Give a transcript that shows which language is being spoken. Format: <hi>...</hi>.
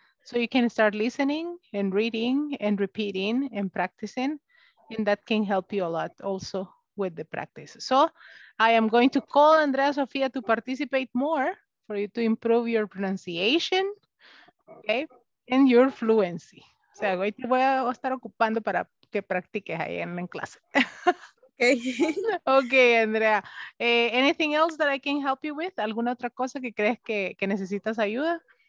<en>So you can start listening and reading and repeating and practicing. And that can help you a lot also with the practice. So I am going to call Andrea Sofia to participate more for you to improve your pronunciation, okay, and your fluency.</en> <es>O sea, hoy te voy a estar ocupando para que practiques ahí en clase.</es> <en>Okay, Andrea. Anything else that I can help you with?</en> <es>¿Alguna otra cosa que crees que necesitas ayuda?</es>